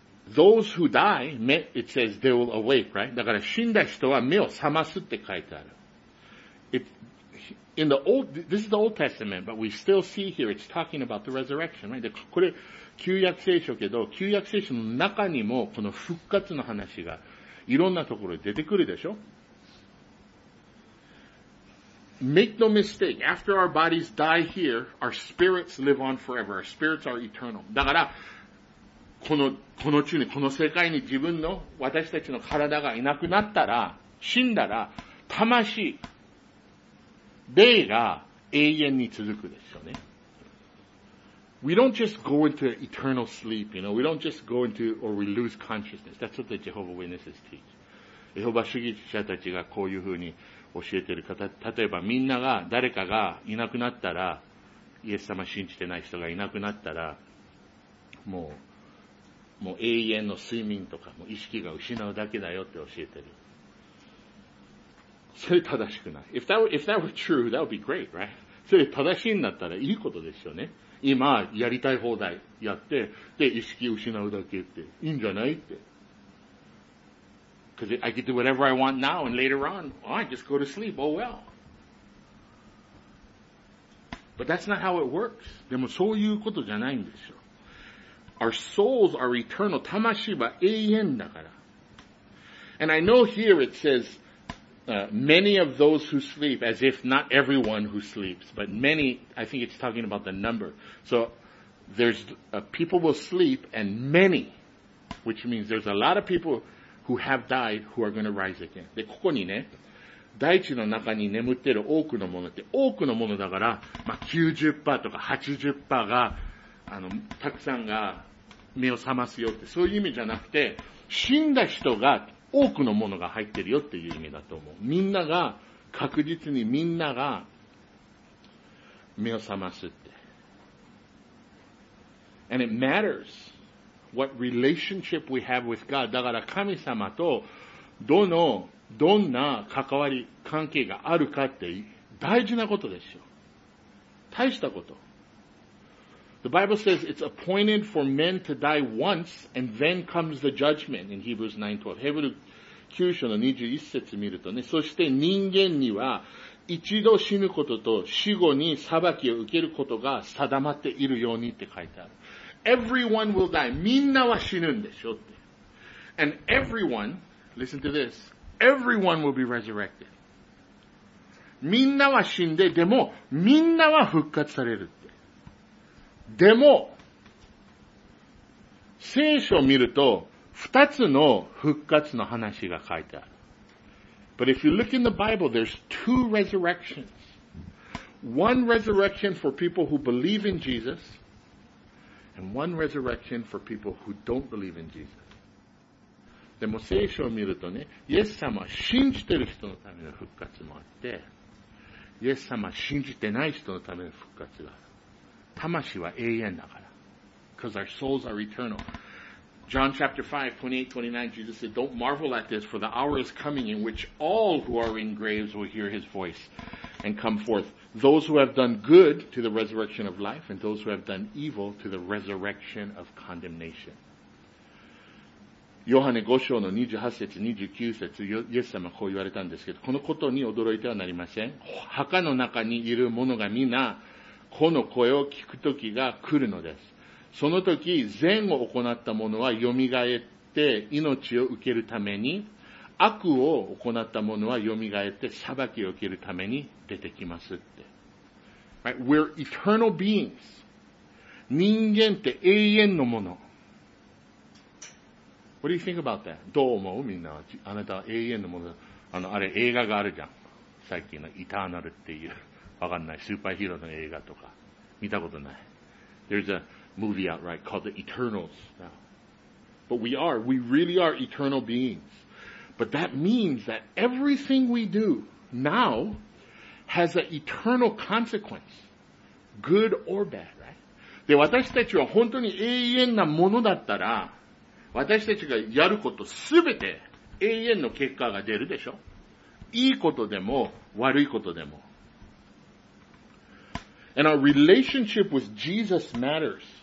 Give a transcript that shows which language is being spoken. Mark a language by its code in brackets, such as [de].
[en] Those who die, it says they will awake, right? [ja] だから死んだ人は目を覚ますって書いてある。 [en] This is the Old Testament, but we still see here it's talking about the resurrection, right? [ja] で、これ、旧約聖書けど、旧約聖書の中にもこの復活の話が、いろんなところで出てくるでしょ? [en] Make no mistake. After our bodies die here, our spirits live on forever. Our spirits are eternal. [ja] だから、この地に、この世界に自分の、私たちの体がいなくなったら、死んだら、魂、霊が永遠に続くですよね。 [en] We don't just go into eternal sleep, you know. We don't just go into, or we lose consciousness. That's what the Jehovah's Witnesses teach. [ja] Jehovah's 主義者たちがこういうふうに教えている方、例えばみんなが誰かがいなくなったら、イエス様信じてない人がいなくなったら、もう永遠の睡眠とか、もう意識が失うだけだよって教えてる。それ正しくない。 [en] If that were true, that would be great, right? [ja] それ正しいんだったらいいことですよね。今、やりたい放題やって、で、意識失うだけって、いいんじゃないって。 [en] Because I can do whatever I want now and later on, I just go to sleep, oh well. But that's not how it works. [ja] でもそういうことじゃないんですよ。 [en] Our souls are eternal. [ja] 魂は永遠だから。 [en] And I know here it says, many of those who sleep, as if not everyone who sleeps, but many, I think it's talking about the number. So, there's, people will sleep and many, which means there's a lot of people who have died who are going to rise again. [ja] で、ここにね、大地の中に眠ってる多くのものって多くのものだから、まあ、90% とか 80% が、たくさんが目を覚ますよって、そういう意味じゃなくて、死んだ人が多くのものが入ってるよっていう意味だと思う。みんなが、確実にみんなが目を覚ますって。 [en] And it matters what relationship we have with God. [ja] だから神様とどんな関わり、関係があるかって大事なことですよ。大したこと。 [en] The Bible says it's appointed for men to die once and then comes the judgment in Hebrews 9:12. [ja] ヘブル9章の21節見るとね、そして人間には一度死ぬことと死後に裁きを受けることが定まっているようにって書いてある。 [en] Everyone will die. [ja] みんなは死ぬんでしょって。 [en] And everyone, listen to this, everyone will be resurrected. [ja] みんなは死んで、でもみんなは復活されるって。でも、聖書を見ると、二つの復活の話が書いてある。 [en] But if you look in the Bible, there's two resurrections. One resurrection for people who believe in Jesus, and one resurrection for people who don't believe in Jesus. [ja] でも聖書を見るとね、イエス様は信じてる人のための復活もあって、イエス様は信じてない人のための復活がある。魂は永遠だから。 [en] Because our souls are eternal. John chapter 5, 28, 29, Jesus said, Don't marvel at this, for the hour is coming in which all who are in graves will hear his voice and come forth. Those who have done good to the resurrection of life and those who have done evil to the resurrection of condemnation. [ja] ヨハネ5章の28節、29節、イエス様はこう言われたんですけど、このことに驚いてはなりません。墓の中にいる者がみんな、この声を聞くときが来るのです。その時、善を行った者は蘇って命を受けるために、悪を行った者は蘇って裁きを受けるために出てきますって。 [en] Right? We're eternal beings. [ja] 人間って永遠のもの。 [en] What do you think about that? [ja] どう思う？みんなは。あなたは永遠のもの。あれ映画があるじゃん。最近のイターナルっていう。わかんない。スーパーヒーローの映画とか。見たことない。 [en] There's a movie out, right, called The Eternals. But we really are eternal beings. But that means that everything we do now has an eternal consequence. Good or bad, right? [ja] で、私たちは本当に永遠なものだったら、私たちがやることすべて永遠の結果が出るでしょ？いいことでも、悪いことでも。 [en] And our relationship with Jesus matters.